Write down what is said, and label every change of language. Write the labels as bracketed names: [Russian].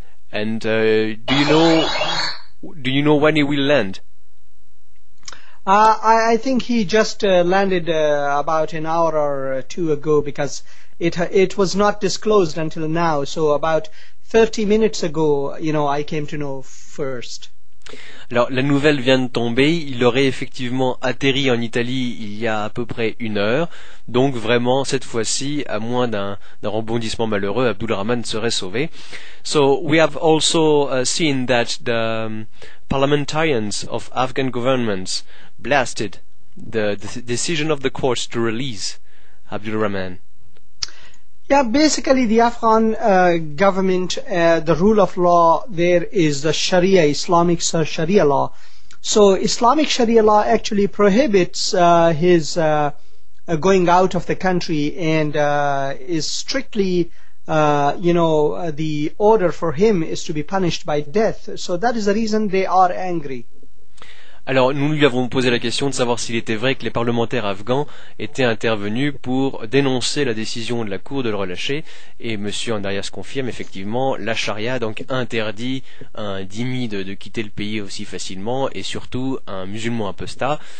[English] And do you know when he will land? I think he just landed about an hour or two ago because it was not disclosed until now. So about 30 minutes ago, I came to know first. [French] Alors, la nouvelle vient de tomber, il aurait effectivement atterri en Italie il y a à peu près une heure, donc vraiment, cette fois-ci, à moins d'un rebondissement malheureux, Abdulrahman serait sauvé. [English] So, we have also seen that the parliamentarians of Afghan governments blasted the decision of the courts to release Abdulrahman. Yeah, basically the Afghan government, the rule of law there is the Sharia, Islamic Sharia law. So Islamic Sharia law actually prohibits his going out of the country and is strictly, the order for him is to be punished by death. So that is the reason they are angry. [French] Alors, nous lui avons posé la question de savoir s'il était vrai que les parlementaires afghans étaient intervenus pour dénoncer la décision de la Cour de le relâcher. Et M. Andarias confirme, effectivement, la charia donc interdit un dhimmi de quitter le pays aussi facilement, et surtout un musulman apostat.